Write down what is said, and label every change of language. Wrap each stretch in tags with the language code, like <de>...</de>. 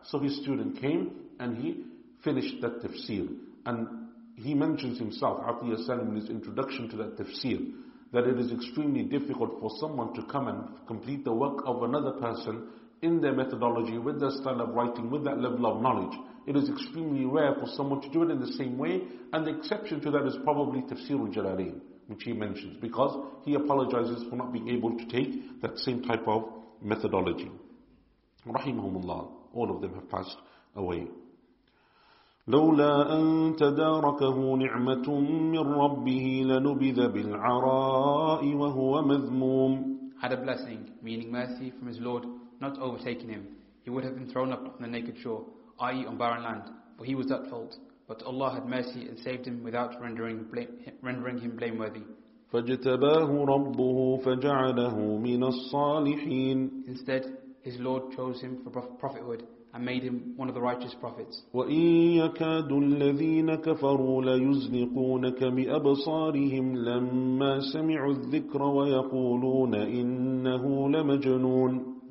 <en>So his student came and he finished that tafsir, and he mentions himself, Atiyah Salim, in his introduction to that tafsir, that it is extremely difficult for someone to come and complete the work of another person in their methodology, with their style of writing, with that level of knowledge. It is extremely rare for someone to do it in the same way, and the exception to that is probably Tafsir al-Jalalain, which he mentions, because he apologizes for not being able to take that same type of methodology. Rahimahumullah, all of them have passed away.</en> <ar>لولا أن تداركه نعمة من ربه لنبذ بالعراء وهو مذموم.</ar> <en>Had a blessing, meaning mercy, from his Lord not overtaken him, he would have been thrown up on the naked shore, i.e. on barren land, for he was at fault. But Allah had mercy and saved him without rendering him blameworthy.</en> <ar>فاجتباه ربه فجعله من الصالحين.</ar> <en>Instead, his Lord chose him for prophethood and made him one of the righteous prophets.</en> <ar>وَإِن يَكَادُ الَّذِينَ كَفَرُوا لَيُزْلِقُونَكَ بِأَبْصَارِهِمْ لَمَّا سَمِعُوا الذِّكْرَ وَيَقُولُونَ إِنَّهُ لَمَجْنُونَ.</ar>